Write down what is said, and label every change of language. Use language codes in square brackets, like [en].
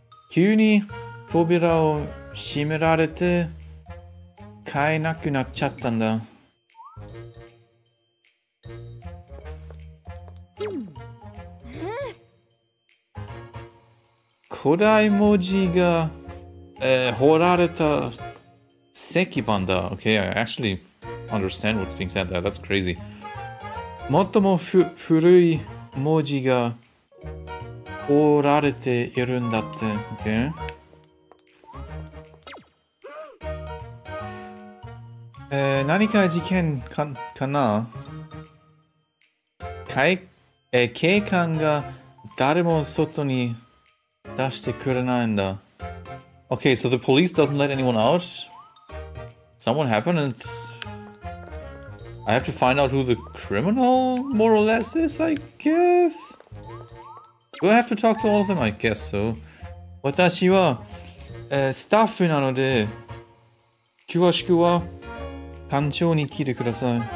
[ja] 急に扉を閉められて買えなくなっちゃったんだ。古代文字が、彫られた石板だ。 [en] Okay, I actually understand what's being said there. That's crazy. [ja] 最も古い文字が彫られているんだって。 [en] Okay? [ja] 何か事件 かな? 警官が誰も外に出してくれないんだ。 [en] Okay, so the police doesn't let anyone out? Someone happened and it's... I have to find out who the criminal more or less is, I guess? Do I have to talk to all of them? I guess so. [ja] 私は、スタッフなので、詳しくは班長に聞いてください。